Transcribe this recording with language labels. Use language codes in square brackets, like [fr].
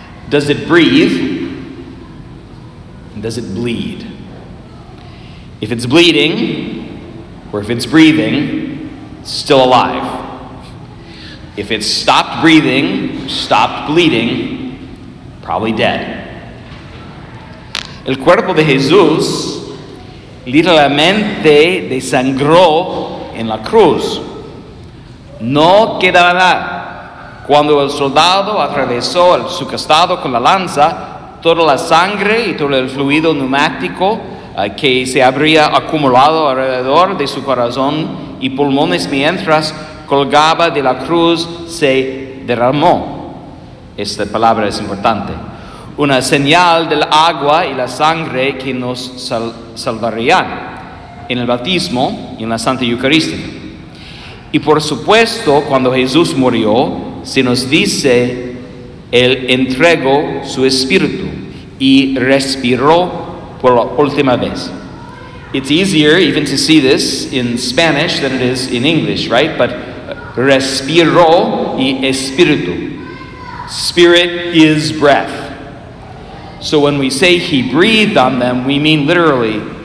[en] Does it breathe? Does it bleed? If it's bleeding, or if it's breathing, it's still alive. If it's stopped breathing, stopped bleeding, probably dead. [es] El cuerpo de Jesús literalmente desangró en la cruz. No quedaba nada. Cuando el soldado atravesó su costado con la lanza, toda la sangre y todo el fluido neumático que se habría acumulado alrededor de su corazón y pulmones mientras colgaba de la cruz se derramó. Esta palabra es importante. Una señal del agua y la sangre que nos salvarían en el bautismo y en la Santa Eucaristía. Y por supuesto, cuando Jesús murió, se nos dice: Él entregó su espíritu y respiró por la última vez. [en] It's easier even to see this in Spanish than it is in English, right? But [es] respiró y espíritu. [en] Spirit is breath. So when we say he breathed on them, we mean literally.